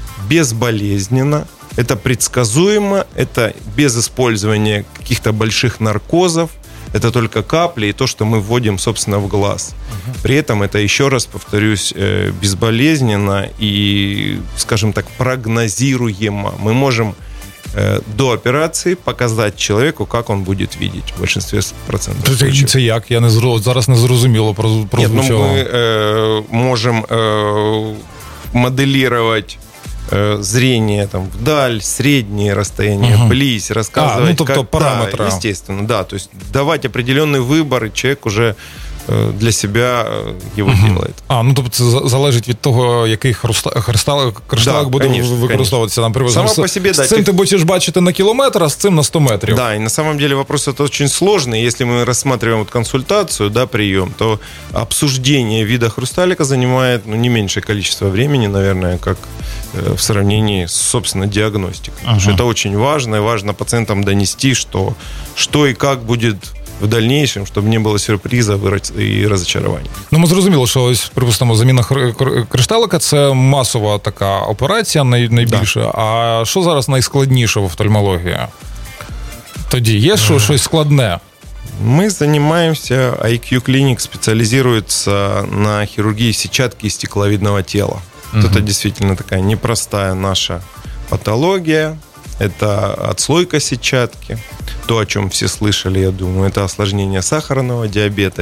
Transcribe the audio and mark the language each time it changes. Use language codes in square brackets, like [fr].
[ru] безболезненно, это предсказуемо, это без использования каких-то больших наркозов, это только капли и то, что мы вводим, собственно, в глаз. При этом это, еще раз повторюсь, безболезненно и, скажем так, прогнозируемо. Мы можем до операции показать человеку, как он будет видеть в большинстве процентов. [uk] Это як? Я не зараз не зрозуміло прозвучало. [ru] Нет, ну мы можем моделировать зрение там вдаль, средние расстояния, близь, рассказывать. [uk] Ну, тобто, параметры. [ru] Естественно, да. То есть давать определенный выбор, и человек уже для себя его делает. [uk] А, ну, тобто, це залежить від того, який кришталик буде використовуватися. Там, [ru] само по себе, [uk] з цим ти будеш бачити на кілометр, а з цим на 100 метрів. [ru] Да, і на самом деле вопрос это очень сложный. Если мы рассматриваем вот консультацию, да, прием, то обсуждение вида хрусталика занимает, ну, не меньшее количество времени, наверное, как в сравнении с, собственно, диагностикой. Ага. Потому что это очень важно, и важно пациентам донести, что и как будет в дальнейшем, чтобы не было сюрприза и разочарования. [uk] Ну, мы зрозуміло, что, ось, припустимо, заміна кришталика – це масова така операція найбільша. Да. А що зараз найскладніше в офтальмології? Тоді є щось складне? [ru] Мы занимаемся, IQ Clinic специализируется на хирургии сетчатки стекловидного тела. Это действительно такая непростая наша патология. Это отслойка сетчатки. То, о чем все слышали, я думаю, это осложнение сахарного диабета.